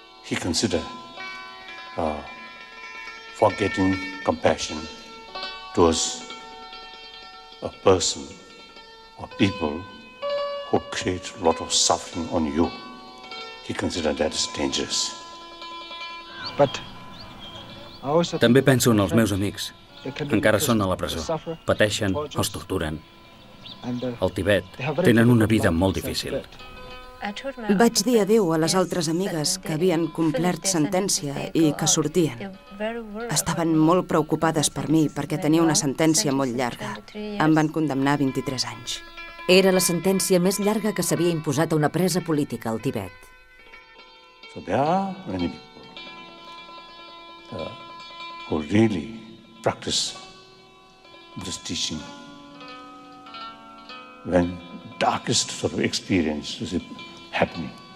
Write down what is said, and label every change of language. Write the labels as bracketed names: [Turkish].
[English] He considered forgetting compassion towards a person or people who create a lot of suffering on you. He considered that is dangerous. But [Catalan] també penso en els meus amics. Encara són a la presó, pateixen, els torturen. Al Tibet tenen una vida molt difícil. Vaig dir adéu a les altres amigues que havien complert sentència i que sortien. Estaven molt preocupades per mi perquè tenia una sentència molt llarga. Em van condemnar a 23 anys. Era la sentència més llarga que s'havia imposat a una presa política al Tibet. [English] So there are many people who really practice Buddhist teaching when darkest sort of experience is happening.